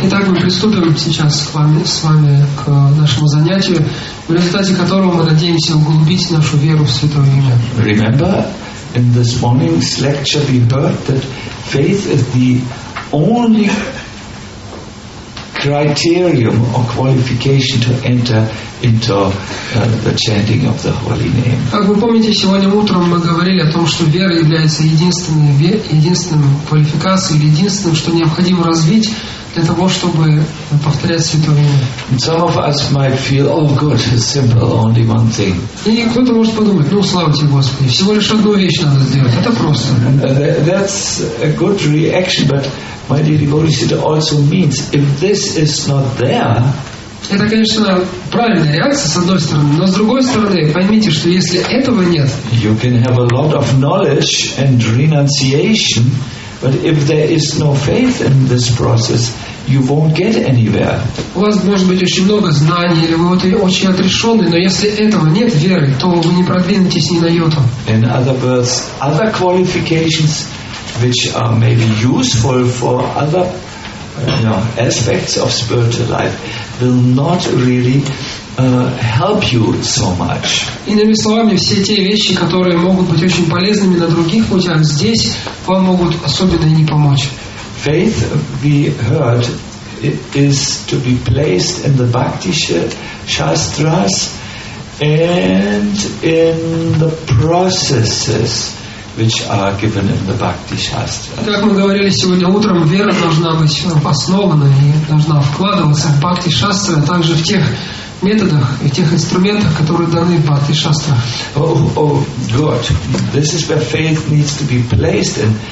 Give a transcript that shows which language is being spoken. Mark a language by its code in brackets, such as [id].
[ru] Итак, мы приступим сейчас с вами к нашему занятию, в результате которого мы надеемся углубить нашу веру в святое имя. [en] Remember, in this morning's lecture we heard that faith is the only criterion or qualification to enter into the chanting of the holy name. [ru] Как вы помните, сегодня утром мы говорили о том, что вера является единственным квалификацией или единственным, что необходимо развить для того, чтобы повторять святое имя. [en] Some of us might feel, oh good, it's simple, only one thing. [ru] И кто-то может подумать, ну слава тебе, Господи, всего лишь одну вещь надо сделать, это просто. [en] That's a good reaction, but my dear devotees, it also means if this is not there. [ru] Это, конечно, правильная реакция, с одной стороны, но с другой стороны, поймите, что если этого нет, [en] you can have a lot of knowledge and renunciation, but if there is no faith in this process, you won't get anywhere. [ru] У вас может быть очень много знаний, или вы вот очень отрешенный, но если этого нет веры, то вы не продвинетесь ни на йоту. [en] In other words, other qualifications which are maybe useful for other aspects of spiritual life will not really help you so much. [ru] Иными словами, все те вещи, которые могут быть очень полезными на других путях, здесь вам могут особенно и не помочь. [en] Faith, we heard, is to be placed in the Bhakti Shastras and in the processes which are given in the Bhakti Shastras. [ru] Как мы говорили сегодня утром, вера должна быть основана и должна вкладываться в Бхакти Шастры, а также в тех методах и тех инструментах, которые даны в Бхакти Шастрах. [en] Good. This is where faith needs to be placed in.